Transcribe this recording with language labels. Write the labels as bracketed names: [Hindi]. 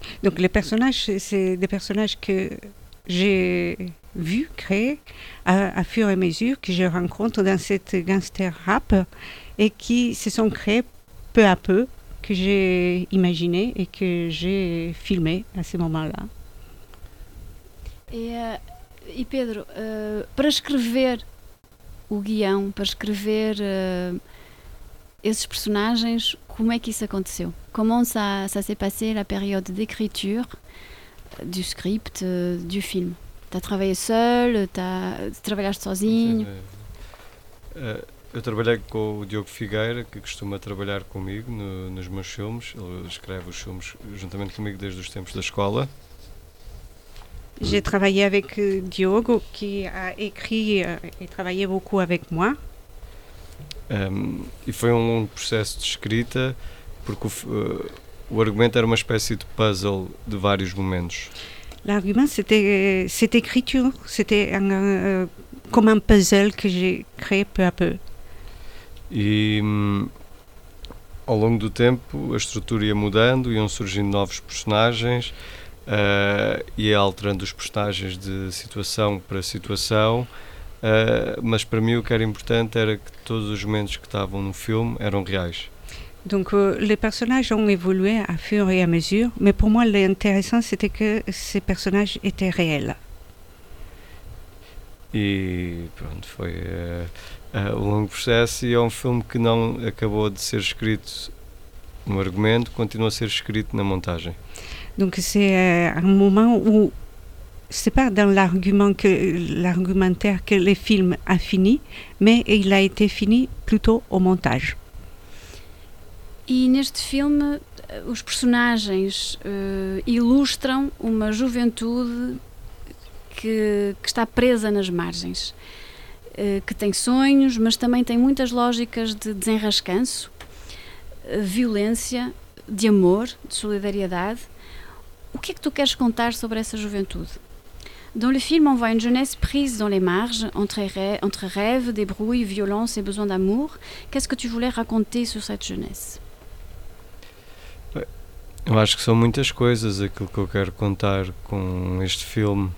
[French] Donc, les personnages, c'est des personnages que j'ai vu créer à fur et à mesure que je rencontre dans cette gangster rap et qui se sont créés peu à peu, que j'ai imaginé et que j'ai filmé à ce moment-là. [Portuguese] Et Pedro, para escrever o guião, para escrever esses personagens, como é que isso aconteceu? [French] Comment ça s'est passé la période d'écriture du script du film? T'as travaillé seul, [Portuguese] travaillaste sozinho? Eu trabalhei com o Diogo Figueira, que costuma trabalhar comigo nos meus filmes. Ele escreve os filmes juntamente comigo desde os tempos da escola. [French] J'ai travaillé avec Diogo, qui a écrit et travaillé beaucoup avec moi. [Portuguese] E foi um processo de escrita, porque o argumento era uma espécie de puzzle de vários momentos. [French] L'argument, c'était écriture, c'était comme un puzzle que j'ai créé peu à peu. [Portuguese] E ao longo do tempo, a estrutura ia mudando, iam surgindo novos personagens, ia alterando os personagens de situação para situação, mas para mim o que era importante era que todos os momentos que estavam no filme eram reais. [French] Donc les personnages ont évolué à fur et à mesure, mais pour moi l'intéressant c'était que ces personnages étaient réels. [Portuguese] Et pronto, foi um longo processo e é um filme que não acabou de ser escrito no argumento, continua a ser escrito na montagem. [French] Donc c'est un moment où c'est pas dans l'argument que l'argumentaire que le film a fini, mais il a été fini plutôt au montage. [Portuguese] E neste filme, os personagens ilustram uma juventude que está presa nas margens. que tem sonhos, mas também tem muitas lógicas de desenrascanço, violência, de amor, de solidariedade. O que é que tu queres contar sobre essa juventude? [French] Dans le film, on voit une jeunesse prise dans les marges, entre rêves, débrouilles, violence et besoin d'amour. Qu'est-ce que tu voulais raconter sur cette jeunesse? [Portuguese] Eu acho que são muitas coisas aquilo que eu quero contar com este filme.